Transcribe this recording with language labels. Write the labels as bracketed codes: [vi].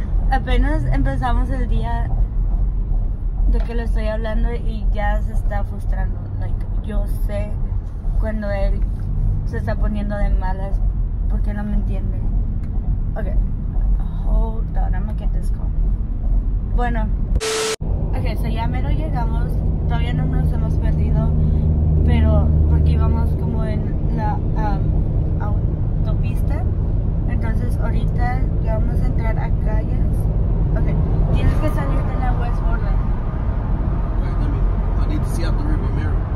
[es] Apenas empezamos el día de que lo estoy hablando y ya se está frustrando. Like, yo sé cuando él se está poniendo de malas porque no me entiende. [en] Okay. Hold on, I'm gonna get this call. [es] Bueno. Okay, so ya mero llegamos. Todavía no nos hemos perdido. Pero porque íbamos como en la autopista. Entonces ahorita ya vamos a entrar a calles. Okay, tienes que salir de la West Border. [en] Okay, I need to see out the rearview mirror.